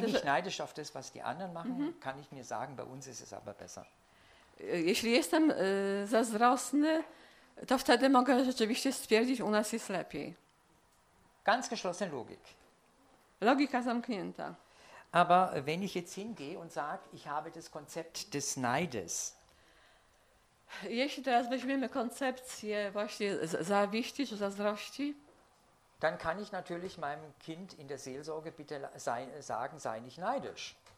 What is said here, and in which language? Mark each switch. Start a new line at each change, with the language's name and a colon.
German: bin ich neidisch auf das, was die anderen machen, kann ich mir sagen, bei uns ist es aber besser.
Polish: Jeśli jestem zazdrosny, to wtedy mogę rzeczywiście stwierdzić, u nas jest lepiej.
German: Ganz geschlossene Logik.
Polish: Logika zamknięta.
German: Aber wenn ich jetzt hingehe und sage, ich habe das Konzept des Neides.
Polish: Jeśli teraz weźmiemy koncepcję właśnie zawiści czy zazdrości,
German: dann kann ich natürlich meinem Kind in der Seelsorge bitte sagen, sei nicht neidisch.